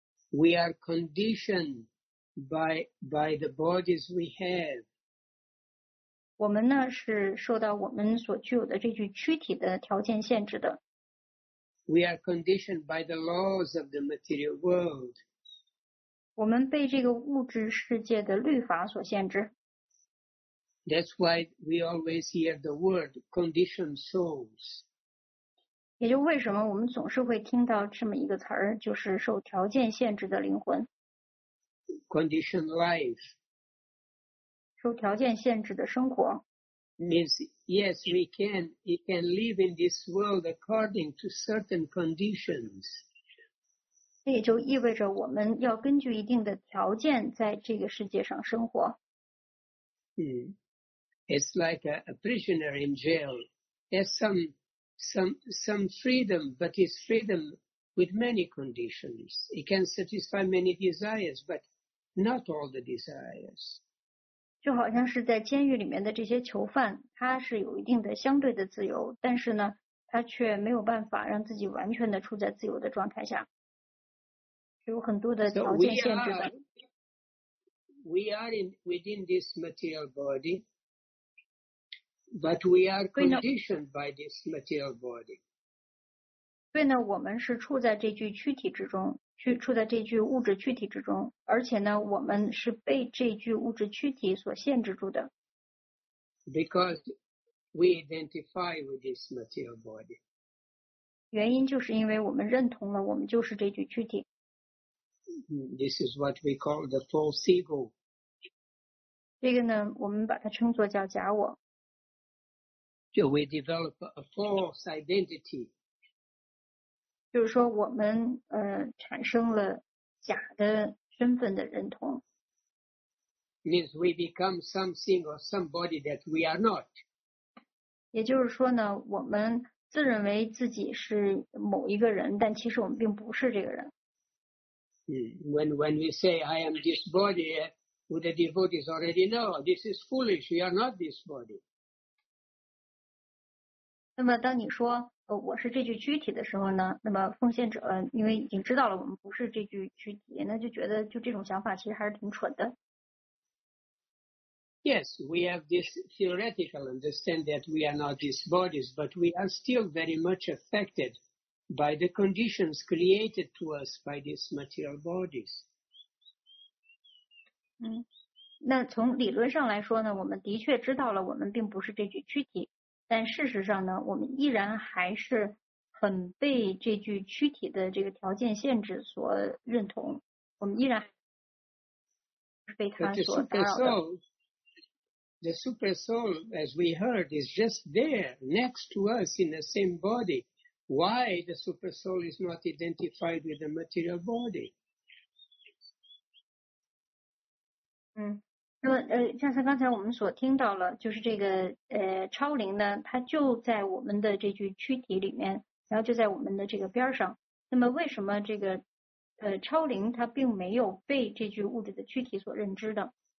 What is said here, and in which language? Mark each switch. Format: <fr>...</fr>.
<en>We are conditioned by the bodies we have.</en> <zh>我们呢是受到我们所具有的这具躯体的条件限制的。</zh> <en>We are conditioned by the laws of the material world.</en> <zh>我们被这个物质世界的律法所限制。</zh> <en>That's why we always hear the word conditioned souls.</en> <zh>也就为什么我们总是会听到这么一个词儿，就是受条件限制的灵魂。</zh> <en>Conditioned life.</en> <zh>受条件限制的生活。</zh> <en>Means, yes, we can live in this world according to certain conditions.</en> <zh>这也就意味着我们要根据一定的条件在这个世界上生活。</zh> <en>It's like a prisoner in jail. Some freedom, but it's freedom with many conditions. It can satisfy many desires, but not all the desires.</en> <zh>就好像是在监狱里面的这些囚犯，他是有一定的相对的自由，但是呢，他却没有办法让自己完全的处在自由的状态下，有很多的条件限制的。</zh> <en>We are within this material body. But we are conditioned by this material body.</en> <zh>对呢，我们是处在这具躯体之中，处在这具物质躯体之中，而且呢，我们是被这具物质躯体所限制住的。</zh> <en>Because we identify with this material body.</en> <zh>原因就是因为我们认同了我们就是这具躯体。</zh> <en>This is what we call the false ego.</en> <zh>这个呢，我们把它称作叫假我。</zh> <en>So we develop a false identity.</en> <zh>就是说我们产生了假的身份的认同。</zh> <en>Means we become something or somebody that we are not.</en> <zh>也就是说呢，我们自认为自己是某一个人，但其实我们并不是这个人。</zh> <en>When we say I am this body, the devotees already know this is foolish. You are not this body.</en> <zh>那么当你说我是这具躯体的时候呢，那么奉献者因为已经知道了我们不是这具躯体，那就觉得就这种想法其实还是挺蠢的。</zh> <en>Yes, we have this theoretical understanding that we are not these bodies, but we are still very much affected by the conditions created to us by these material bodies.</en> <zh>那从理论上来说呢，我们的确知道了我们并不是这具躯体，但事实上呢，我们依然还是很被这具躯体的这个条件限制所认同，我们依然是被它所打扰的。</zh> <en>The super soul, as we heard, is just there next to us in the same body. Why the super soul is not identified with the material body?</en> <zh>那么像刚才我们所听到了，就是这个超灵呢，它就在我们的这具躯体里面，然后就在我们的这个边上。那么为什么这个超灵它并没有被这具物质的躯体所认知的？</zh>